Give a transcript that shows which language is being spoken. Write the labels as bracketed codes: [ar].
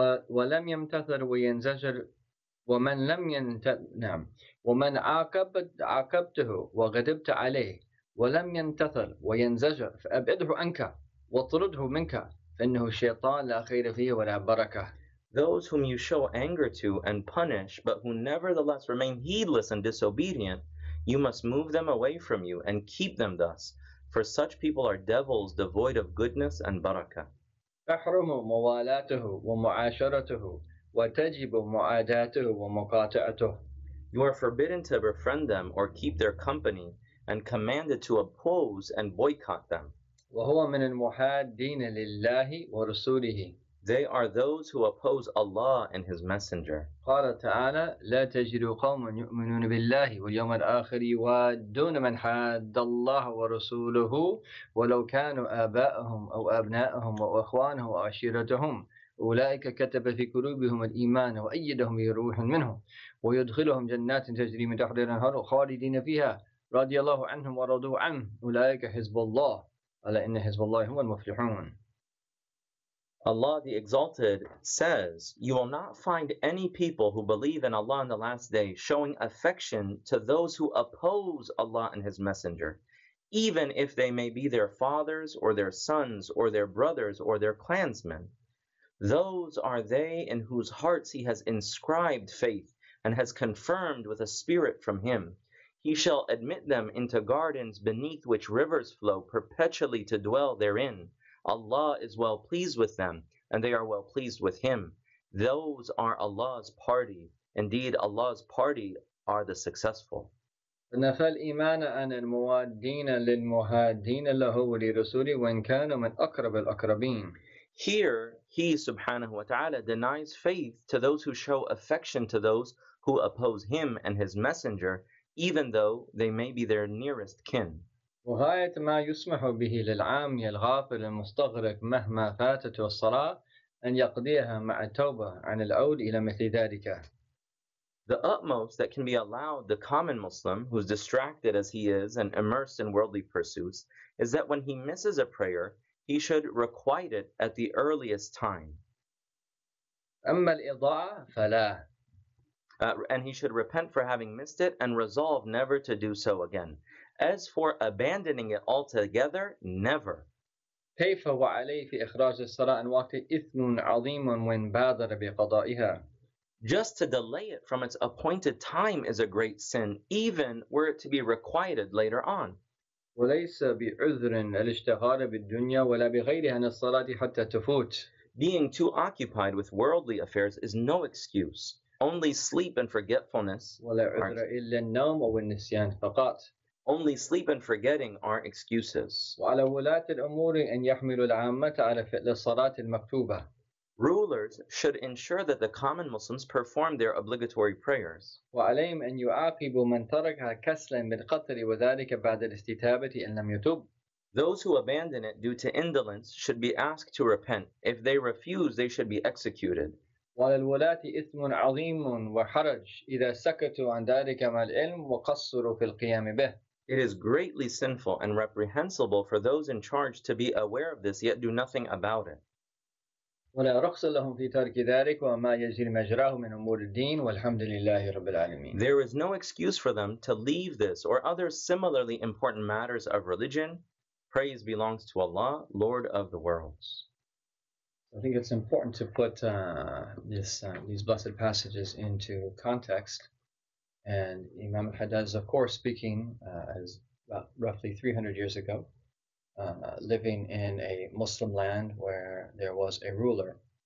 [ar] وَلَمْ يَمْتَثِرْ وَيَنْزَجِرْ وَمَنْ لَمْ يَنْتَثِرْ وَمَنْ عَاقَبْتَهُ وَغَضِبْتَ عَلَيْهِ وَلَمْ يَمْتَثِرْ وَيَنْزَجِرْ فَأَبْعِدْهُ عَنْكَ وَطْرُدْهُ مِنْكَ فَإِنَّهُ شَيْطَانٌ لَا خَيْرَ فِيهِ وَلَا بَرَكَةَ. [en] Those whom you show anger to and punish, but who nevertheless remain heedless and disobedient, you must move them away from you and keep them thus, for such people are devils devoid of goodness and barakah. [ar] احرموا موالاته ومعاشرته وتجب معاداته ومقاطعته. [en] You are forbidden to befriend them or keep their company, and commanded to oppose and boycott them. [ar] وهو من المحادين لله ورسوله. [en] They are those who oppose Allah and His Messenger. [ar] قال تعالى لا تجد قوما يؤمنون بالله واليوم الآخر يوادون من حاد الله ورسوله ولو كانوا آباءهم أو أبناءهم أو إخوانهم أو عشيرتهم أولئك كتب في قلوبهم الإيمان وأيدهم بروح منه ويدخلهم جنات تجري من تحتها الأنهار خالدين فيها رضي الله عنهم ورضوا عنه أولئك حزب الله ألا إن حزب الله هم المفلحون. [en] Allah the Exalted says, you will not find any people who believe in Allah in the last day showing affection to those who oppose Allah and His Messenger, even if they may be their fathers or their sons or their brothers or their clansmen. Those are they in whose hearts He has inscribed faith and has confirmed with a spirit from Him. He shall admit them into gardens beneath which rivers flow perpetually to dwell therein. Allah is well pleased with them, and they are well pleased with Him. Those are Allah's party. Indeed, Allah's party are the successful. [ar] نفى الإيمان عن الموادين للمهادين له ولرسوله وإن كانوا من أقرب الأقربين. [en] Here, He subhanahu wa ta'ala denies faith to those who show affection to those who oppose Him and His Messenger, even though they may be their nearest kin. [ar] وغاية ما يسمح به للعامي الغافل المستغرق مهما فاتته الصلاة أن يقضيها مع التوبة عن العود إلى مثل ذلك. [en] The utmost that can be allowed the common Muslim, who's distracted as he is and immersed in worldly pursuits, is that when he misses a prayer, he should requite it at the earliest time. [ar] أما الإضاعة فلا. [en] And he should repent for having missed it and resolve never to do so again. As for abandoning it altogether, never. [ar] كيف وعليه في إخراج الصلاة عن وقته إثم عظيم وإن بادر بقضائها. [en] Just to delay it from its appointed time is a great sin, even were it to be requited later on. [ar] وليس بعذر الاشتغال بالدنيا ولا بغيرها عن الصلاة حتى تفوت. [en] Being too occupied with worldly affairs is no excuse. Only sleep and forgetfulness. [ar] ولا عذر إلا النوم أو النسيان فقط. [en] Only sleep and forgetting are excuses. [ar] وعلى ولاة الأمور أن يحملوا العامة على فعل الصلاة المكتوبة. [en] Rulers should ensure that the common Muslims perform their obligatory prayers. [ar] وعليهم أن يعاقبوا من تركها كسلا بالقطر وذلك بعد الاستتابة إن لم يتوب. [en] Those who abandon it due to indolence should be asked to repent. If they refuse, they should be executed. [ar] وعلى الولاة إثم عظيم وحرج إذا سكتوا عن ذلك مع العلم وقصروا في القيام به. [en] It is greatly sinful and reprehensible for those in charge to be aware of this yet do nothing about it. [ar] ولا رخص لهم في ترك ذلك وما يجري مجراه من أمور الدين والحمد لله رب العالمين. [en] There is no excuse for them to leave this or other similarly important matters of religion. Praise belongs to Allah, Lord of the worlds. I think it's important to put these blessed passages into context. And Imam Haddad is, of course, speaking as about roughly 300 years ago, living in a Muslim land where there was a ruler.